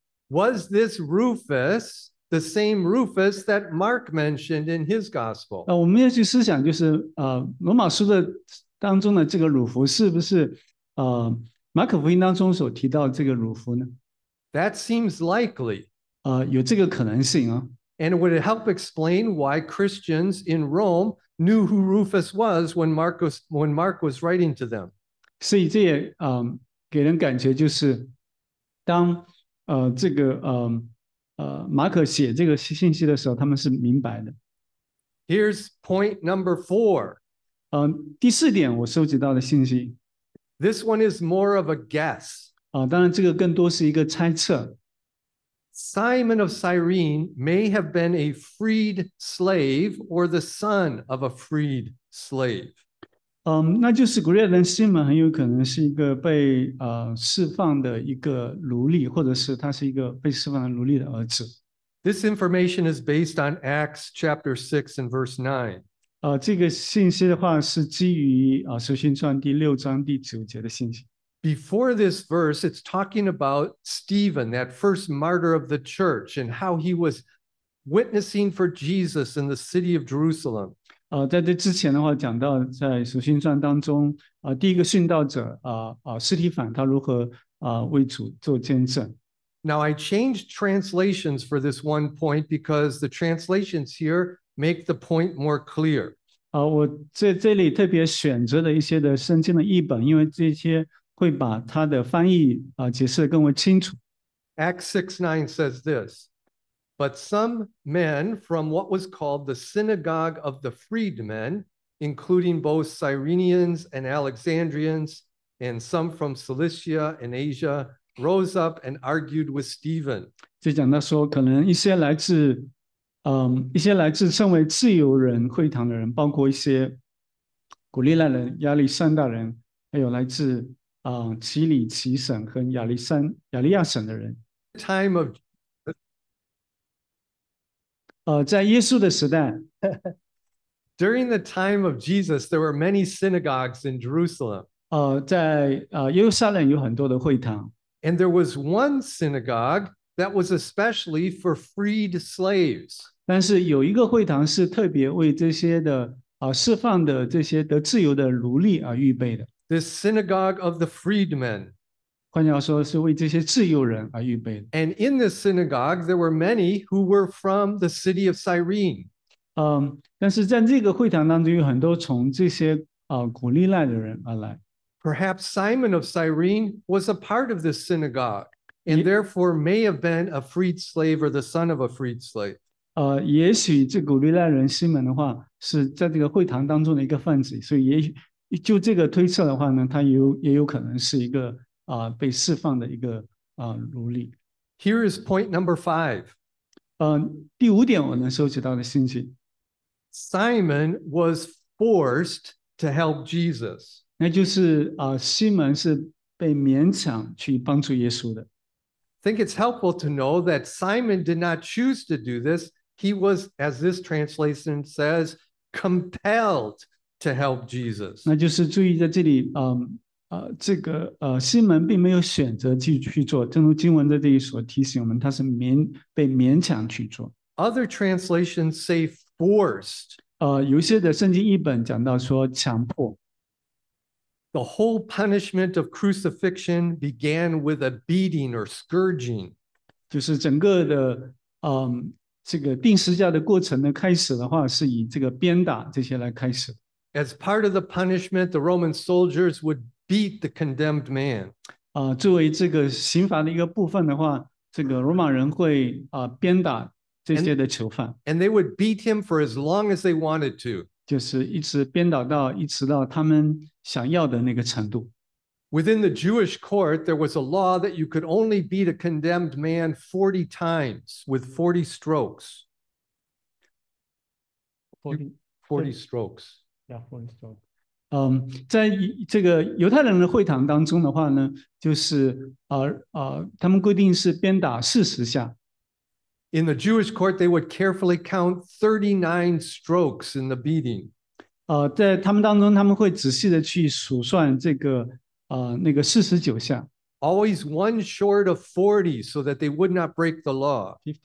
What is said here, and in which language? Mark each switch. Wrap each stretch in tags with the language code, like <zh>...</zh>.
<en>Was this Rufus the same Rufus that Mark mentioned in his gospel?</en> <zh>我们要去思想，就是罗马书的当中的这个鲁弗是不是马可福音当中所提到这个乳妇呢？</zh> <en>That seems likely.</en> <zh>有这个可能性啊。</zh> <en>And would it help explain why Christians in Rome knew who Rufus was when Mark was writing to them?</en> <zh>所以这也给人感觉就是当这个马可写这个信息的时候，他们是明白的。</zh> <en>Here's point number four.</en> <zh>第四点我收集到的信息。</zh> <en>This one is more of a guess.</en> <zh>当然这个更多是一个猜测。</zh> <en>Simon of Cyrene may have been a freed slave or the son of a freed slave.</en> <zh>那就是古列人西门很有可能是一个被释放的一个奴隶，或者是他是一个被释放的奴隶的儿子。</zh> <en>This information is based on Acts chapter 6 and verse 9.</en> <zh>这个信息的话是基于使徒行传第六章第九节的信息。</zh> <en>Before this verse, it's talking about Stephen, that first martyr of the church, and how he was witnessing for Jesus in the city of Jerusalem.</en> <zh>在这之前的话，讲到在使徒行传当中，第一个殉道者，斯提凡，他如何为主做见证。</zh> <en>Now I changed translations for this one point because the translations here make the point more clear.</en> <zh>我在这里特别选择了一些的圣经的译本，因为这些会把他的翻译解释得更为清楚。</zh> <en>Acts 6:9 says this, But some men from what was called the synagogue of the freedmen, including both Cyrenians and Alexandrians, and some from Cilicia and Asia, rose up and argued with Stephen.</en> <zh>就讲到说可能一些来自称为自由人会堂的人，包括一些古利奈人、亚历山大人，还有来自奇里奇省和亚利亚省的人。</zh> <en>Time of</en> <zh>在耶稣的时代。</zh> <en>During the time of Jesus, there were many synagogues in Jerusalem.</en> <zh>在耶路撒冷有很多的会堂。</zh> <en>And there was one synagogue that was especially for freed slaves.</en> <zh>但是有一个会堂是特别为这些的释放的这些得自由的奴隶而预备的。</zh> <en>The synagogue of the freedmen.</en> <zh>换句话说是为这些自由人而预备的。</zh> <en>And in this synagogue, there were many who were from the city of Cyrene.</en> <zh>但是在这个会堂当中有很多从这些古利奈的人而来。</zh> <en>Perhaps Simon of Cyrene was a part of this synagogue, and therefore may have been a freed slave or the son of a freed slave.</en> <zh>也许这古利奈人西门的话是在这个会堂当中的一个贩子，所以也许就这个推测的话呢，他也有可能是一个被释放的一个奴隶。</zh> <en>Here is point number five.</en> <zh>第五点我能收集到的信息。</zh> <en>Simon was forced to help Jesus.</en> <zh>那就是西门是被勉强去帮助耶稣的。</zh> <en>I think it's helpful to know that Simon did not choose to do this. He was, as this translation says, compelled. To help Jesus.</en> <zh>那就是注意在这里这个西门并没有选择去做，正如经文在这里所提醒我们，他是被勉强去做。</zh> <en>Other translations say forced.</en> <zh>有些的圣经译本讲到说强迫。</zh> <en>The whole punishment of crucifixion began with a beating or scourging.</en> <zh>就是整个的这个钉十字架的过程的开始的话是以这个鞭打这些来开始。</zh> <en>As part of the punishment, the Roman soldiers would beat the condemned man.</en> <zh>作为这个刑罚的一个部分的话，这个罗马人会鞭打这些的囚犯。</zh> <en>And they would beat him for as long as they wanted to.</en> <zh>就是一直鞭打到一直到他们想要的那个程度。</zh> <en>Within the Jewish court, there was a law that you could only beat a condemned man 40 times with 40 strokes. 40 strokes.</en> <zh>在这个犹太人的会堂当中的话呢，就是他们规定是鞭打四十下。</zh> <en>In the Jewish court, they would carefully count 39 strokes in the beating.</en> <zh>在他们当中，他们会仔细的去数算这个那个四十九下。</zh> <en>Always one short of 40, so that they would not break the law.</en>